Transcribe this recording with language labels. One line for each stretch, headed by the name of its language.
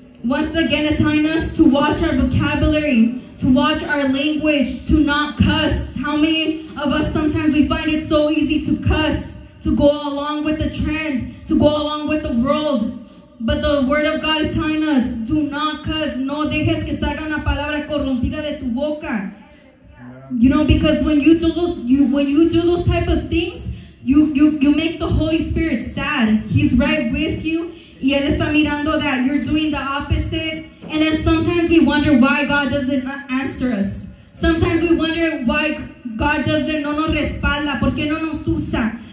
English: Once again, it's telling us to watch our vocabulary, to watch our language, to not cuss. How many of us sometimes we find it so easy to cuss, to go along with the trend, to go along with the world? But the word of God is telling us, do not cuss.
Spanish: No dejes que salga una palabra corrompida de tu boca.
English: You know, because when you do those type of things, you make the Holy Spirit sad. He's right with you.
Spanish: Y él está mirando
English: that you're doing the opposite. And then sometimes we wonder why God doesn't answer us. Sometimes we wonder why God doesn't,
Spanish: no nos respalda, por qué no nos usa.